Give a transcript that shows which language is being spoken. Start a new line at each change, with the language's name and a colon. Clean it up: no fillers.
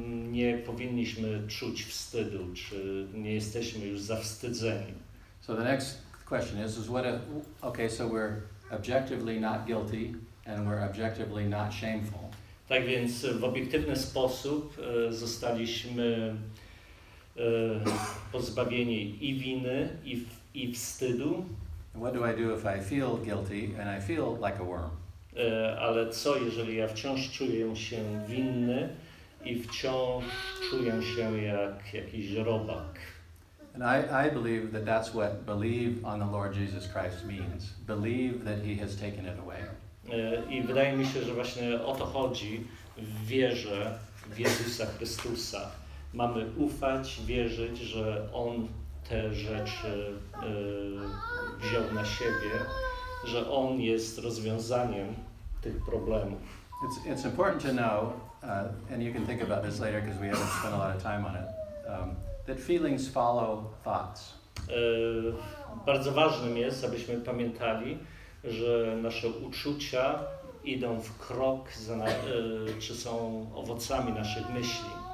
Polish: Nie powinniśmy czuć wstydu, czy nie jesteśmy już zawstydzeni.
English: So the next question is what if, okay, so we're objectively not guilty and we're objectively not shameful.
Polish: Tak więc w obiektywny sposób zostaliśmy pozbawieni i winy, i wstydu.
English: What do I do if I feel guilty and I feel like a worm?
Polish: Ale co, jeżeli ja wciąż czuję się winny i wciąż czuję się jak jakiś robak?
English: And I believe that that's what believe on the Lord Jesus Christ means. Believe that he has taken it away.
Polish: I wydaje mi się, że właśnie o to chodzi w wierze w Jezusa Chrystusa. Mamy ufać, wierzyć, że On te rzeczy wziął na siebie, że On jest rozwiązaniem tych problemów.
English: It's important to know, and you can think about this later because we haven't spent a lot of time on it, that feelings follow thoughts.
Polish: Bardzo ważnym jest, abyśmy pamiętali, że nasze uczucia idą w krok, czy są owocami naszych myśli.